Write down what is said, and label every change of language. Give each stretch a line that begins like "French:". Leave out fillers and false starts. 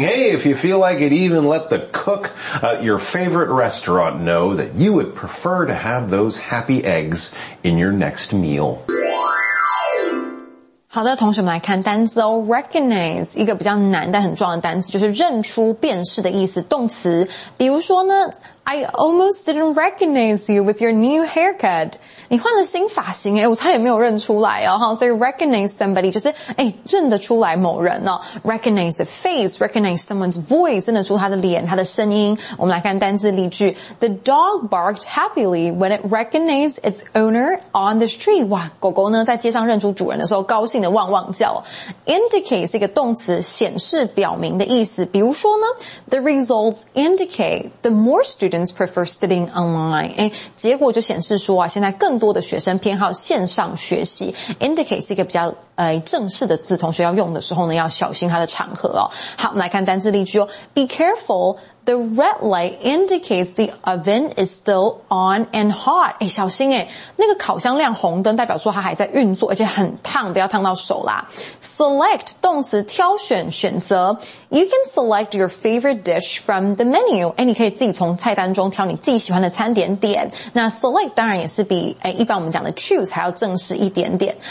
English: Hey, if you feel like it, even let the cook at your favorite restaurant know that you would prefer to have those happy eggs in your next meal.
Chinese: 好的同学们来看单词哦 recognize 一个比较难但很重要的单词就是认出辨识的意思动词比如说呢
English: I almost didn't recognize you with your new haircut.
Chinese: 你换了新发型诶我差点没有认出来哦。所以 recognize somebody 就是诶认得出来某人哦。
English: recognize a face, recognize someone's voice,
Chinese: 认得出他的脸他的声音。我们来看单字例句。
English: The dog barked happily when it recognized its owner on the street.
Chinese: 哇狗狗呢在街上认出主人的时候高兴的汪汪叫。 Indicate 是一个动词显示表明的意思。比如说呢
English: ,the results indicate the more students prefer studying online.
Chinese: 诶结果就显示说啊现在更多的学生偏好线上学习 ,indicate 是一个比较正式的字同学要用的时候呢要小心它的场合哦。好我们来看单字例句哦。
English: Be careful, the red light indicates the oven is still on and hot.
Chinese: 诶小心诶那个烤箱亮红灯代表说它还在运作而且很烫不要烫到手啦。
English: Select,
Chinese: 动词挑选选择。
English: You can select your favorite dish from the menu.
Chinese: 诶你可以自己从菜单中挑你自己喜欢的餐点点。那 select 当然也是比诶一般我们讲的 choose 还要正式一点点。